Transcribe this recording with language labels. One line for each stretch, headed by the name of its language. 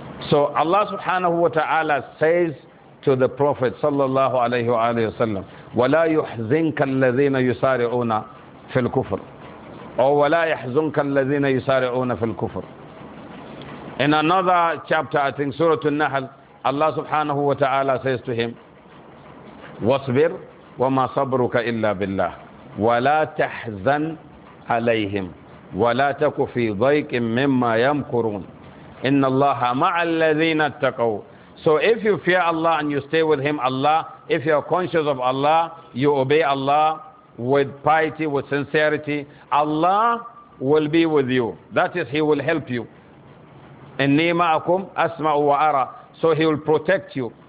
English: So Allah subhanahu wa ta'ala says to the Prophet sallallahu alayhi wa sallam,
Arabic: وَلَا يُحْزِنْكَ الَّذِينَ يُسَارِعُونَ فِي الْكُفْرِ
English: or
Arabic: وَلَا يَحْزُنْكَ الَّذِينَ يُسَارِعُونَ فِي الْكُفْرِ.
English: In another chapter, I think Surah An-Nahl, Allah subhanahu wa ta'ala says to him,
Arabic: وَصْبِرْ وَمَا صَبْرُكَ إِلَّا بِاللَّهِ وَلَا تَحْزَنْ عَلَيْهِمْ وَلَا تَكُ فِي ضَيْكٍ مِمَّا يَمْكُرُونَ إِنَّ اللَّهَ مَعَ الَّذِينَ اتَّقَوْا.
English: So if you fear Allah and you stay with Him, Allah, if you are conscious of Allah, you obey Allah with piety, with sincerity, Allah will be with you. That is, He will help you.
Arabic: إِنِّي مَعَكُمْ أَسْمَعُ وَأَرَى.
English: So He will protect you.